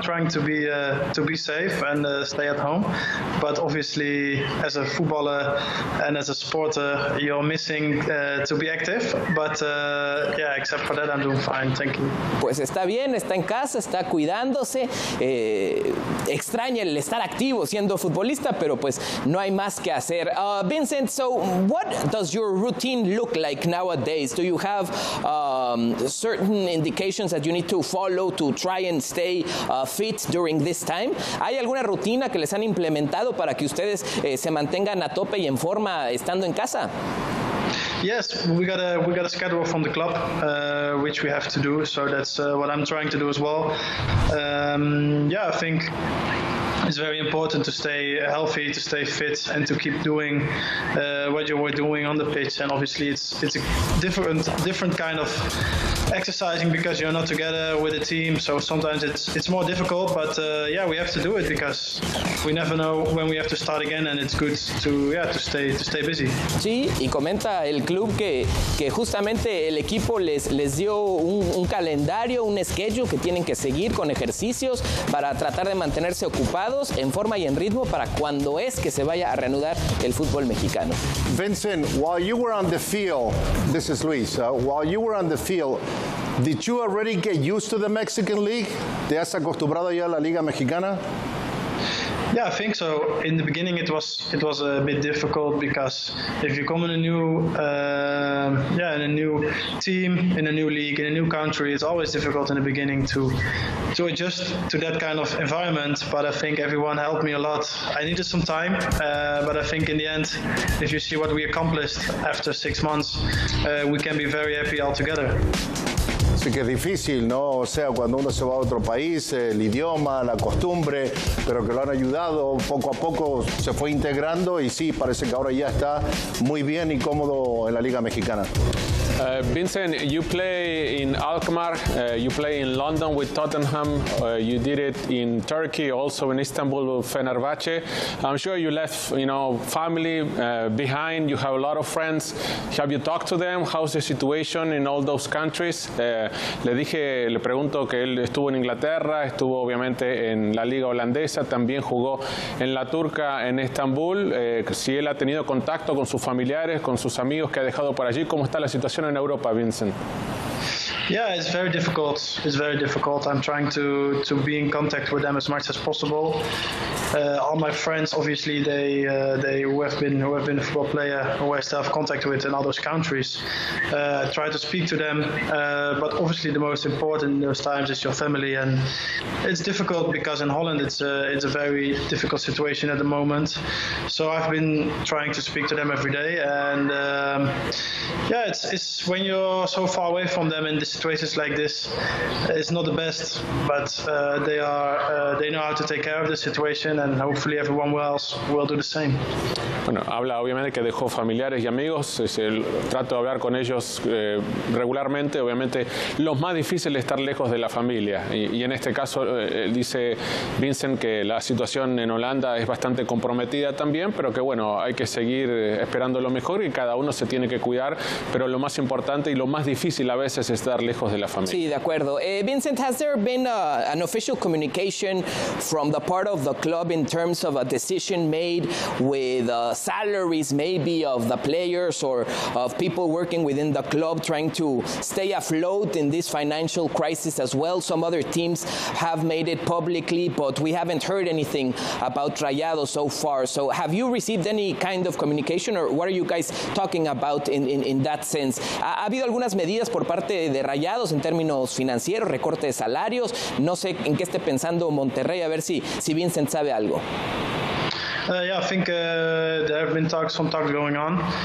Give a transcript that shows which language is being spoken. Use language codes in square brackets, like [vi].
[en] Trying to be safe and stay at home. But obviously, as a footballer and as a supporter, you're missing to be active. But yeah, except for that, I'm doing fine. Thank you. [es] Pues está bien, está en casa, está cuidándose. Extraña el estar activo siendo futbolista, pero pues no hay más que hacer. [en] Vincent, so what does your routine look like nowadays? Do you have certain indications that you need to follow to try and stay fit during this time? [es] ¿Hay alguna rutina que les han implementado para que ustedes se mantengan a tope y en forma estando en casa? [en] Yes, we got a schedule from the club, which we have to do. So that's what I'm trying to do as well. Yeah, I think it's very important to stay healthy, to stay fit, and to keep doing what you were doing on the pitch. And obviously, it's a different kind of exercising because you're not together with a team. So sometimes it's more difficult. But yeah, we have to do it because we never know when we have to start again. And it's good to stay busy. [es] Sí, y comenta el club que justamente el equipo les dio un calendario, un schedule que tienen que seguir con ejercicios para tratar de mantenerse ocupado en forma y en ritmo para cuando es que se vaya a reanudar el fútbol mexicano. [en] Vincent, while you were on the field, this is Luis, while you were on the field, did you already get used to the Mexican League? [es] ¿Te has acostumbrado ya a la Liga Mexicana? [en] Yeah, I think so. In the beginning, it was a bit difficult because if you come in a new in a new team, in a new league, in a new country, it's always difficult in the beginning to adjust to that kind of environment. But I think everyone helped me a lot. I needed some time, but I think in the end, if you see what we accomplished after 6 months, we can be very happy all together. [es] Así que es difícil, ¿no? O sea, cuando uno se va a otro país, el idioma, la costumbre, pero que lo han ayudado, poco a poco se fue integrando y sí, parece que ahora ya está muy bien y cómodo en la Liga Mexicana. [en] Vincent, you play in Alkmaar, you play in London with Tottenham, you did it in Turkey, also in Istanbul with Fenerbahce. I'm sure you left, you know, family behind, you have a lot of friends. Have you talked to them? How's the situation in all those countries? [es] Le pregunto que él estuvo en Inglaterra, estuvo obviamente en la Liga Holandesa, también jugó en la Turca, en Estambul. Si él ha tenido contacto con sus familiares, con sus amigos que ha dejado por allí, ¿cómo está la situación in Europa, Vincent? [en] Yeah, it's very difficult. It's very difficult. I'm trying to be in contact with them as much as possible. All my friends, obviously, who have been a football player, who I still have contact with in all those countries, try to speak to them. But obviously, the most important in those times is your family, and it's difficult because in Holland it's a very difficult situation at the moment. So I've been trying to speak to them every day, and it's when you're so far away from them in this situations like this, it's not the best, but they know how to take care of the situation, and hopefully everyone else will do the same. [es] Bueno, habla obviamente que dejó familiares y amigos. Trato de hablar con ellos regularmente. Obviamente, lo más difícil es estar lejos de la familia. Y en este caso, dice Vincent que la situación en Holanda es bastante comprometida también, pero que bueno, hay que seguir esperando lo mejor y cada uno se tiene que cuidar. Pero lo más importante y lo más difícil a veces es estar lejos de la familia. Sí, de acuerdo. [en] Vincent, has there been an official communication from the part of the club in terms of a decision made with salaries maybe of the players or of people working within the club trying to stay afloat in this financial crisis as well? Some other teams have made it publicly, but we haven't heard anything about Rayado so far. So have you received any kind of communication, or what are you guys talking about in that sense? [es] ¿Ha habido algunas medidas por parte de Rayados en términos financieros, recorte de salarios? No sé en qué esté pensando Monterrey, a ver si Vincent sabe algo. [en] Yeah, I think there have been talks going on.